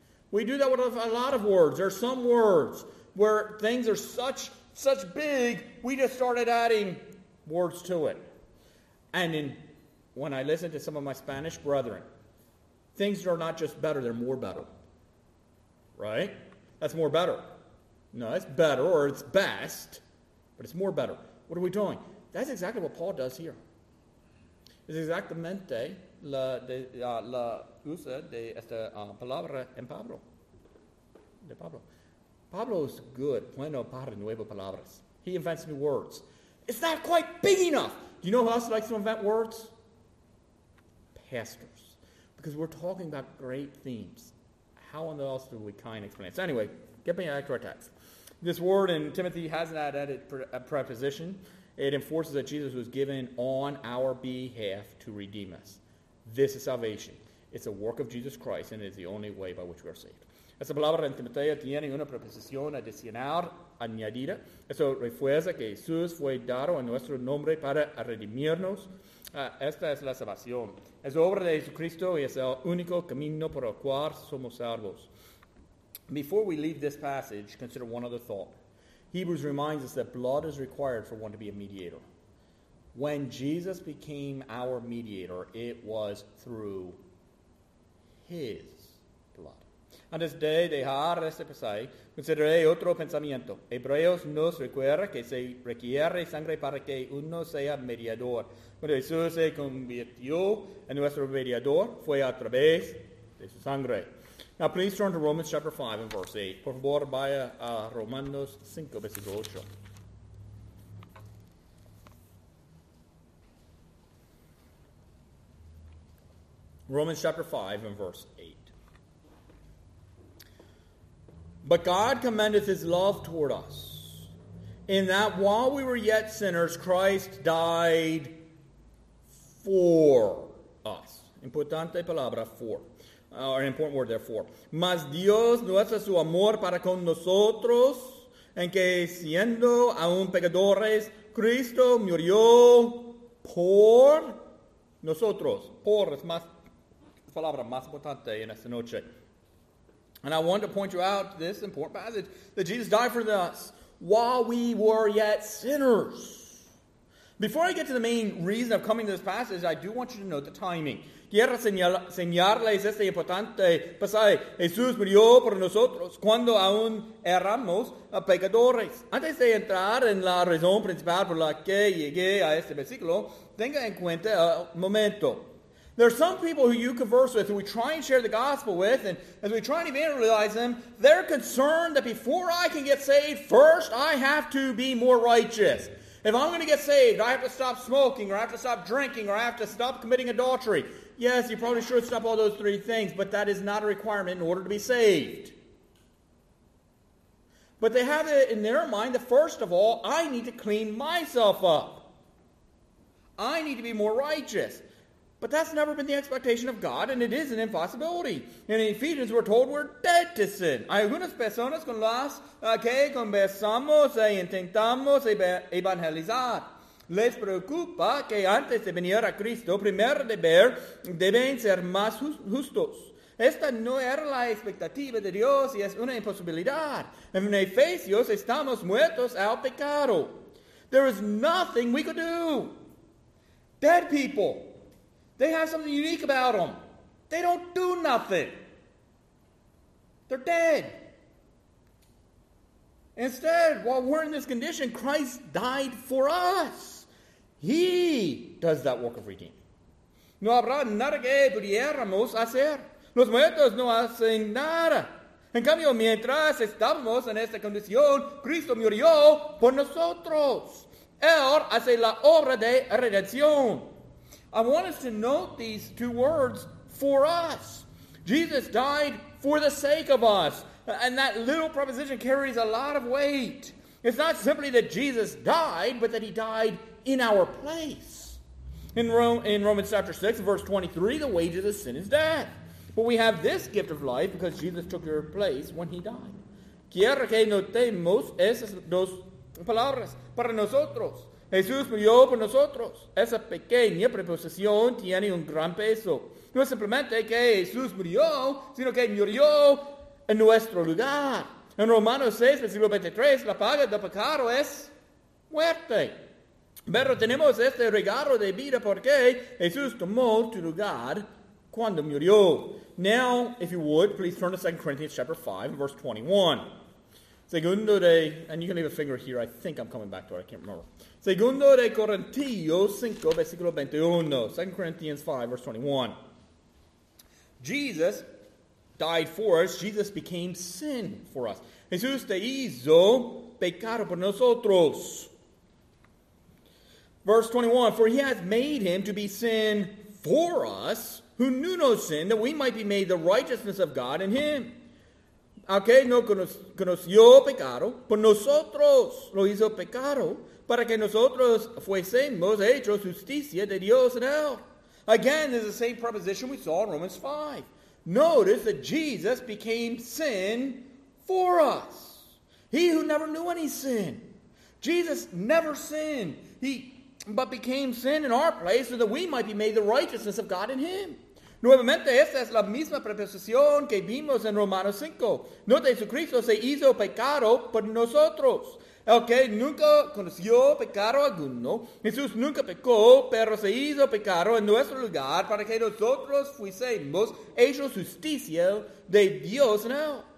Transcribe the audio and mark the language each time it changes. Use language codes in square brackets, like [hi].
[en] We do that with a lot of words. There are some words where things are such big, we just started adding words to it. And when I listen to some of my Spanish brethren, things are not just better, they're more better. Right? That's more better. No, it's better or it's best, but it's more better. What are we doing? That's exactly what Paul does here. [es] Es exactamente la usa de esta palabra en Pablo. De Pablo. [en] Pablo is good. [es] Bueno para nuevas palabras. [en] He invents new words. It's not quite big enough. Do you know who else likes to invent words? Pastors. Because we're talking about great themes. How in the else do we kind of explain it? So anyway, get back to our text. This word in Timothy has that added preposition. It enforces that Jesus was given on our behalf to redeem us. This is salvation. It's a work of Jesus Christ, and it is the only way by which we are saved. [es] Esa palabra en Timoteo tiene una preposición adicional añadida. Eso refuerza que Jesús fue dado en nuestro nombre para redimirnos. Esta es la salvación. Es obra de Jesucristo y es el único camino por el cual somos salvos. [en] Before we leave this passage, consider one other thought. Hebrews reminds us that blood is required for one to be a mediator. When Jesus became our mediator, it was through his blood. [es] Antes de dejar este pasaje, consideré otro pensamiento. Hebreos nos recuerda que se requiere sangre para que uno sea mediador. Cuando Jesús se convirtió en nuestro mediador, fue a través de su sangre. [en] Now please turn to Romans chapter 5 and verse 8. [es] Por favor, vaya a Romanos 5, versículo 8. [en] Romans chapter 5 and verse 8. But God commendeth his love toward us, in that while we were yet sinners, Christ died for us. [es] Importante palabra, [en] for. Or an important word there, for. [es] Mas Dios muestra su amor para con nosotros, en que siendo aún pecadores, Cristo murió por nosotros. Por es más, palabra más importante en esta noche. [en] And I want to point you out this important passage, that Jesus died for us while we were yet sinners. Before I get to the main reason of coming to this passage, I do want you to note the timing. [es] Quiero señalarles este importante pasaje. Jesús murió por nosotros cuando aún éramos pecadores. Antes de entrar en la razón principal por la que llegué a este versículo, tenga en cuenta un momento. [en] There are some people who you converse with, who we try and share the gospel with, and as we try and evangelize them, they're concerned that before I can get saved, first I have to be more righteous. If I'm going to get saved, I have to stop smoking, or I have to stop drinking, or I have to stop committing adultery. Yes, you probably should stop all those three things, but that is not a requirement in order to be saved. But they have it in their mind that first of all, I need to clean myself up. I need to be more righteous. But that's never been the expectation of God, and it is an impossibility. In Ephesians, we're told we're dead to sin. [es] Hay algunas personas con las que conversamos e intentamos evangelizar. Les preocupa que antes de venir a Cristo, primero deben ser más justos. Esta no era la expectativa de Dios y es una imposibilidad. En Efesios, estamos muertos al pecado. [en] There is nothing we could do. Dead people. They have something unique about them. They don't do nothing. They're dead. Instead, while we're in this condition, Christ died for us. He does that work of redeeming. [es] No habrá nada que pudiéramos hacer. Los muertos no hacen nada. En cambio, mientras estamos en esta condición, Cristo murió por nosotros. Él hace la obra de redención. [en] I want us to note these two words, for us. Jesus died for the sake of us. And that little proposition carries a lot of weight. It's not simply that Jesus died, but that he died in our place. In Romans chapter 6, verse 23, the wages of sin is death. But we have this gift of life because Jesus took your place when he died. [es] Quiero que notemos esas dos palabras para nosotros. Jesús murió por nosotros. Esa pequeña preposición tiene un gran peso. No es simplemente que Jesús murió, sino que murió en nuestro lugar. En Romanos 6, versículo 23, la paga del pecado es muerte. Pero tenemos este regalo de vida porque Jesús tomó tu lugar cuando murió. [en] Now, if you would, please turn to 2 Corinthians chapter 5, verse 21. [es] Segundo de, [en] and you can leave a finger here, I think I'm coming back to it, I can't remember. [es] Segundo de Corintios 5, versículo 21. [en] 2 Corinthians 5, verse 21. Jesus died for us. Jesus became sin for us. [es] Jesús te hizo pecado por nosotros. [en] Verse 21. For he has made him to be sin for us, who knew no sin, that we might be made the righteousness of God in him. [es] Aunque no conoció pecado, por nosotros lo hizo pecado, para que nosotros fuésemos hechos justicia de Dios en él. [en] Again, there's the same proposition we saw in Romans 5. Notice that Jesus became sin for us. He who never knew any sin. Jesus never sinned. He but became sin in our place so that we might be made the righteousness of God in him. [es] Nuevamente, esta es la misma preposición que vimos en Romanos 5. Note, Jesucristo se hizo pecado por nosotros. El que nunca conoció pecado alguno, Jesús nunca pecó, pero se hizo pecado en nuestro lugar para que nosotros fuésemos hechos justicia de Dios en él.